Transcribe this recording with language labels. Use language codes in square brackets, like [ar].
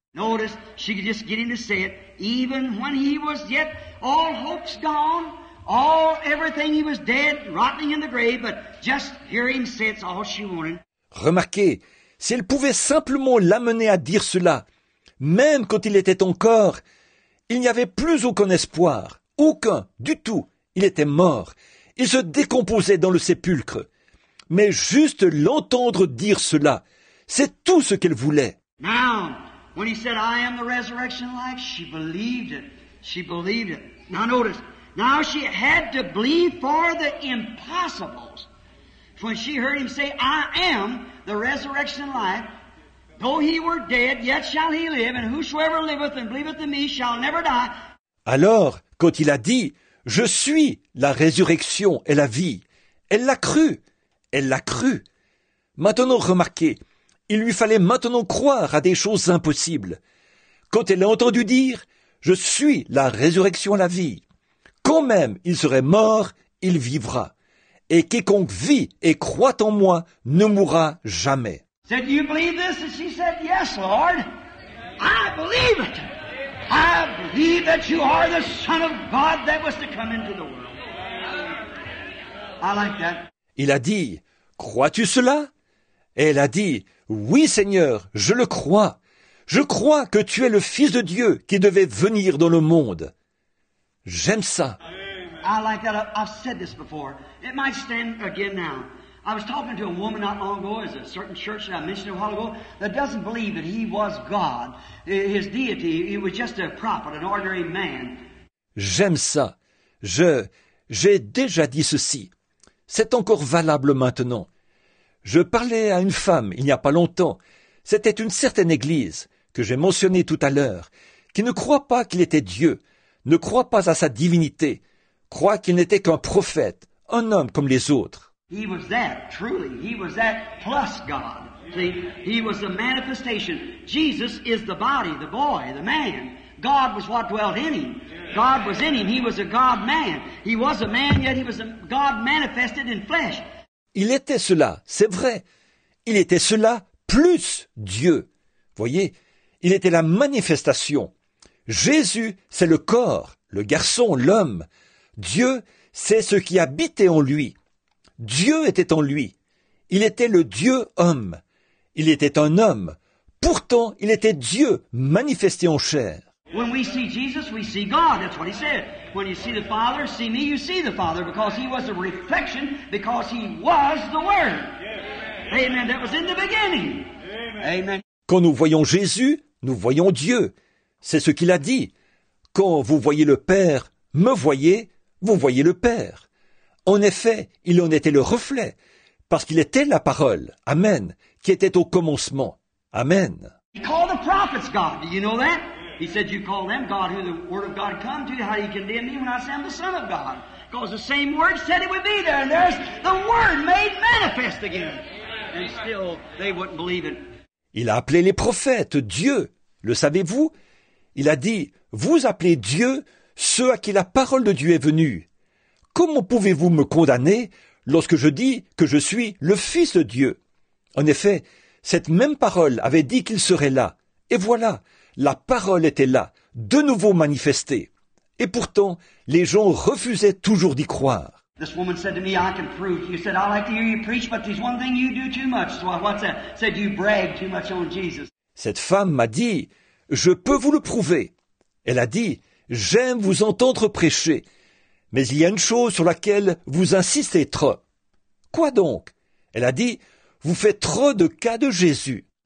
[en] Notice, she could just get him to say it. Even when he was yet all hope's gone. All everything he was dead, rotting in the grave, but just hear him say it's all she wanted. [fr] Remarquez, si elle pouvait simplement l'amener à dire cela, même quand il était encore, il n'y avait plus aucun espoir, aucun, du tout. Il était mort. Il se décomposait dans le sépulcre. Mais juste l'entendre dire cela, c'est tout ce qu'elle voulait. [en] Now, when he said, I am the resurrection life, she believed it. She believed it. Now notice. Now she had to believe for the impossibles. When she heard him say, I am the resurrection and life. Though he were dead, yet shall he live. And whosoever liveth and believeth in me shall never die. [fr] Alors, quand il a dit, je suis la résurrection et la vie, elle l'a cru. Elle l'a cru. Maintenant remarquez, Il lui fallait maintenant croire à des choses impossibles. Quand elle a entendu dire « Je suis la résurrection et la vie », quand même il serait mort, il vivra. Et quiconque vit et croit en moi ne mourra jamais. [en] Said, do you believe this? And she said, yes, Lord. I believe it. I believe that you are the Son of God that was to come into the world. I like that. [fr] Il a dit, crois-tu cela? Et elle a dit, oui, Seigneur, je le crois. Je crois que tu es le Fils de Dieu qui devait venir dans le monde. J'aime ça. [en] I like that. I've said this before. It might stand again now. I was talking to a woman not long ago, as a certain church that I mentioned a while ago, that doesn't believe that he was God, his deity, he was just a prophet, an ordinary man. [fr] J'aime ça. J'ai déjà dit ceci. C'est encore valable maintenant. Je parlais à une femme il n'y a pas longtemps. C'était une certaine église, que j'ai mentionnée tout à l'heure, qui ne croit pas qu'il était Dieu, ne croit pas à sa divinité, croit qu'il n'était qu'un prophète, un homme comme les autres. [en] He was that, truly. He was that plus God. See, he was the manifestation. Jesus is the body, the boy, the man. God was what dwelt in him. God was in him. He was a God-man. He was a man, yet he was a God manifested in flesh. [fr] Il était cela, c'est vrai. Il était cela plus Dieu. Voyez, il était la manifestation. Jésus, c'est le corps, le garçon, l'homme. Dieu, c'est ce qui habitait en lui. Dieu était en lui. Il était le Dieu-homme. Il était un homme. Pourtant, il était Dieu manifesté en chair. [en] When we see Jesus, we see God. That's what he said. When you see the Father, see me, you see the Father, because he was a reflection, because he was the Word. Amen. That was in the beginning. Amen. [fr] Quand nous voyons Jésus, nous voyons Dieu. C'est ce qu'il a dit. Quand vous voyez le Père, me voyez, vous voyez le Père. En effet, il en était le reflet, parce qu'il était la parole, amen, qui était au commencement, amen. [en] He called the prophets God, do you know that? He said, you call them God, who the word of God come to you, how do you condemn me when I say I'm the Son of God? Because the same word said it would be there, and there's the word made manifest again. And still, they wouldn't believe it. [fr] Il a appelé les prophètes Dieu, le savez-vous? Il a dit, vous appelez Dieu ceux à qui la parole de Dieu est venue. Comment pouvez-vous me condamner lorsque je dis que je suis le Fils de Dieu? En effet, cette même parole avait dit qu'il serait là. Et voilà, la parole était là, de nouveau manifestée. Et pourtant, les gens refusaient toujours d'y croire. [en] This woman said to me, I can prove. You said, I like to hear you preach, but there's one thing you do too much. So what's that? Said you brag too much on Jesus. [fr] Cette femme m'a dit, je peux vous le prouver. Elle a dit, j'aime vous entendre prêcher. Mais il y a une chose sur laquelle vous insistez trop. Quoi donc? Elle a dit, vous faites trop de cas de Jésus.